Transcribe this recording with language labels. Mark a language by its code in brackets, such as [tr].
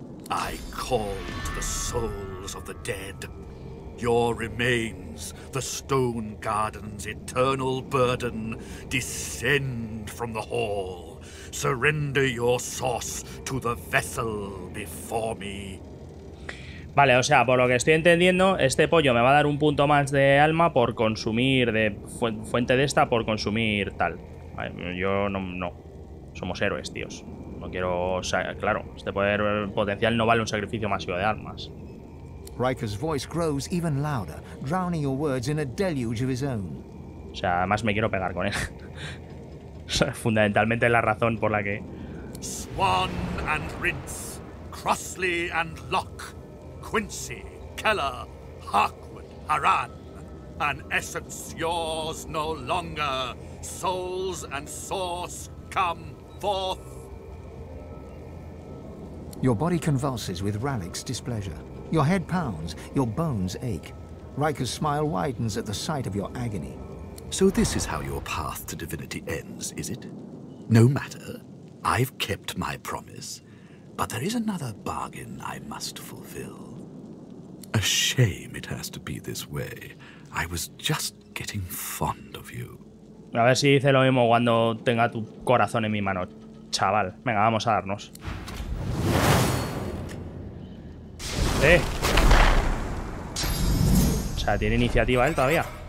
[en] I call to the souls of the dead. Your remains, the stone garden's eternal burden, descend from the hall. Surrender your source to the vessel before me. [es] Vale, o sea, por lo que estoy entendiendo, este pollo me va a dar un punto más de alma por consumir de fuente de esta, por consumir tal. Yo no. Somos héroes, tíos. No quiero, o sea, claro, este poder potencial no vale un sacrificio masivo de armas. [en] Riker's voice grows even louder, drowning your words in a deluge of his own. [es] O sea, además me quiero pegar con él. Fundamentalmente la razón por la que [en] Swan and Rince, Crossley and Locke, Quincy, Keller, Harkwood, Haran, an essence yours no longer, souls and source come forth. Your body convulses with Ralik's displeasure. Your head pounds, your bones ache. Riker's smile widens at the sight of your agony. So this is how your path to divinity ends, is it? No matter. I've kept my promise. But there is another bargain I must fulfill. A shame it has to be this way. I was just getting fond of you. [es] A ver si dice lo mismo cuando tenga tu corazón en mi mano, chaval. Venga, vamos a darnos. O sea, tiene iniciativa él todavía.